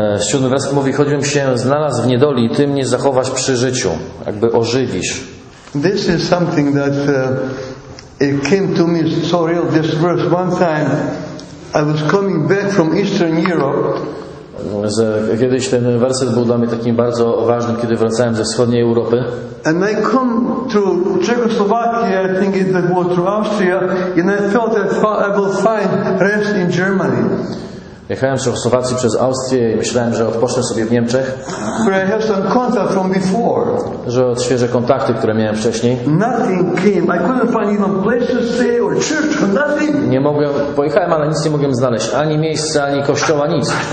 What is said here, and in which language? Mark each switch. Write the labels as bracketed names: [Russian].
[Polish] Siódmy werset mówi, choćbym się znalazł w niedoli, ty mnie zachowasz przy życiu, jakby ożywisz. [English] This is something that it came to me so real. This verse. One time, I was coming back from Eastern Europe. [Polish] Kiedyś ten werset był dla mnie takim bardzo ważnym, kiedy wracałem ze wschodniej Europy. [English] And I come to Czechoslovakia, I think it was to Austria, and I felt that I will find rest in Germany. [Polish] Jechałem z Czechosłowacji przez Austrię i myślałem, że odpocznę sobie w Niemczech. [English] I have some contact from before. [Polish] Że odświeżę kontakty, które miałem wcześniej. [English] Nothing came. I couldn't find even place to stay or church or nothing. [Polish] Nie mogłem, pojechałem, ale nic nie mogłem znaleźć. Ani miejsca, ani kościoła, nic.